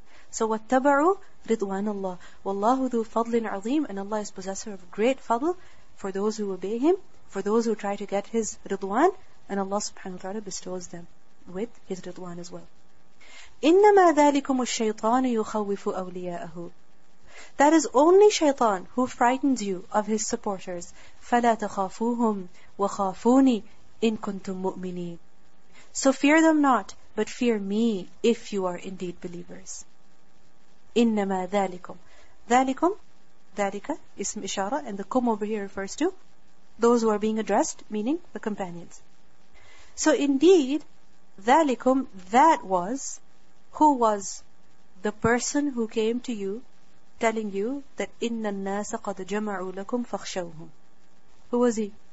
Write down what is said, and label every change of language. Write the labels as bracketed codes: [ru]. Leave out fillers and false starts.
[en] So [ar] وَاتَّبَعُوا رِضْوَانَ اللَّهِ وَاللَّهُ ذُو فَضْلٍ عَظِيمٍ [en] And Allah is possessor of great fadl for those who obey Him, for those who try to get His ridwan, and Allah subhanahu wa ta'ala bestows them with His ridwan as well. [ar] إِنَّمَا ذَلِكُمُ الشَّيْطَانُ يُخَوِّفُ أَوْلِيَاءَهُ [en] That is only shaitan who frightens you of his supporters. [ar] فَلَا تَخَافُوهُمْ وَخَافُونِي إِن كُنْتُمْ مُؤْمِنِينَ [en] So fear them not, but fear me if you are indeed believers. [ar] إِنَّمَا ذَلِكُمْ ذَلِكُمْ ذَلِكَ اسم إشارة, [en] and the kum over here refers to those who are being addressed, meaning the companions. So indeed, ذَلِكُمْ, that was, who was the person who came to you telling you that [ar] إِنَّ النَّاسَ قَدْ جَمَعُوا لَكُمْ فَخْشَوْهُمْ. [en] Who was he?